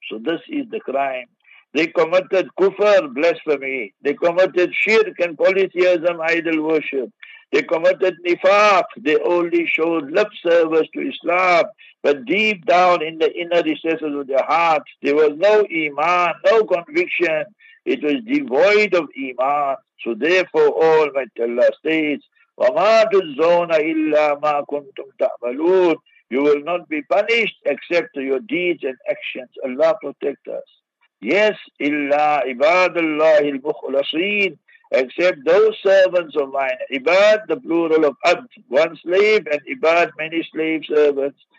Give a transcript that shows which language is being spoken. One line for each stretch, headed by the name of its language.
English: So this is the crime. They committed kufr, blasphemy. They committed shirk and polytheism, idol worship. They committed nifaq. They only showed lip service to Islam. But deep down in the inner recesses of their hearts, there was no iman, no conviction. It was devoid of iman. So therefore, Almighty Allah states,
Arabic: وَمَا تُزَّوْنَ إِلَّا مَا كُنْتُمْ تَعْمَلُونَ.
English: You will not be punished except your deeds and actions. Allah protect us. Yes,
Arabic: illa ibadallahi al-mukhlasin,
English: except those servants of mine. Ibad, the plural of abd, one slave, and ibad, many slave servants.